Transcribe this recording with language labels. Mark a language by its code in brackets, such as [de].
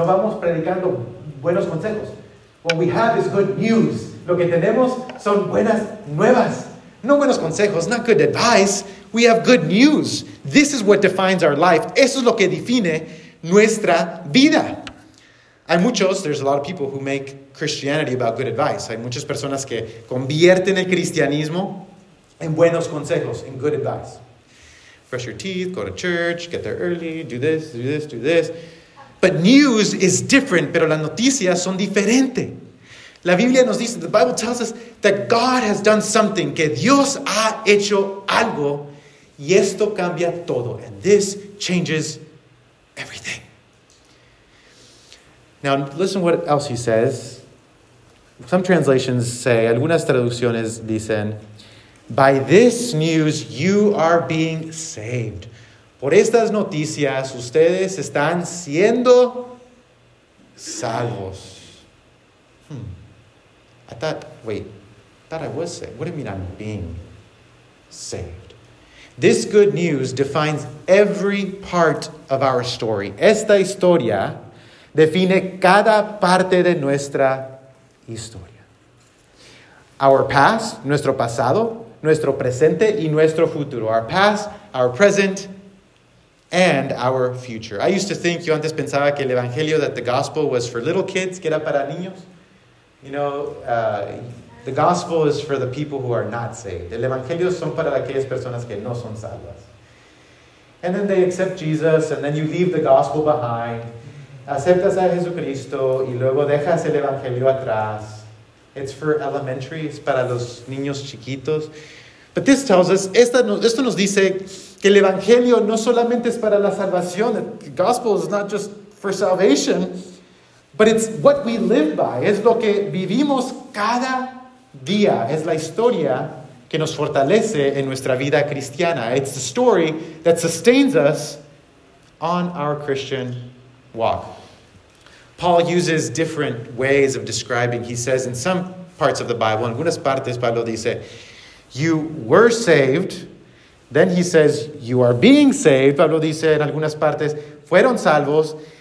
[es] No vamos predicando buenos consejos. [en] What we have is good news. [es] Lo que tenemos son buenas nuevas. No buenos consejos, [en] not good advice. We have good news. This is what defines our life. [es] Eso es lo que define nuestra vida. Hay muchos, [en] there's a lot of people who make Christianity about good advice. [es] Hay muchas personas que convierten el cristianismo en buenos consejos, [en] in good advice. Brush your teeth, go to church, get there early, do this, do this, do this. But news is different, [es] pero las noticias son diferentes. La Biblia nos dice, [en] the Bible tells us that God has done something, [es] que Dios ha hecho algo, y esto cambia todo. [en] And this changes everything. Now, listen what else he says. Some translations say, [es] algunas traducciones dicen, [en] by this news you are being saved. [es] Por estas noticias, ustedes están siendo salvos. [en] I thought I was saved. What do you mean I'm being saved? This good news defines every part of our story. [es] Esta historia define cada parte de nuestra historia. [en] Our past, [es] nuestro pasado, nuestro presente y nuestro futuro. [en] Our past, our present, and our future. I used to think, [es] yo antes pensaba que el evangelio, [en] that the gospel was for little kids, [es] que era para niños. [en] You know, the gospel is for the people who are not saved. [es] El evangelio son para aquellas personas que no son salvas. [en] And then they accept Jesus, and then you leave the gospel behind. [es] Aceptas a Jesucristo, y luego dejas el evangelio atrás. [en] It's for elementary, [es] es para los niños chiquitos. [en] But this tells us, [es] esto nos dice que el evangelio no solamente es para la salvación. [en] The gospel is not just for salvation. But it's what we live by. [es] Es lo que vivimos cada día. Es la historia que nos fortalece en nuestra vida cristiana. [en] It's the story that sustains us on our Christian walk. Paul uses different ways of describing. He says in some parts of the Bible, [es] en algunas partes Pablo dice, [en] you were saved. Then he says, you are being saved. [es] Pablo dice en algunas partes, fueron salvos.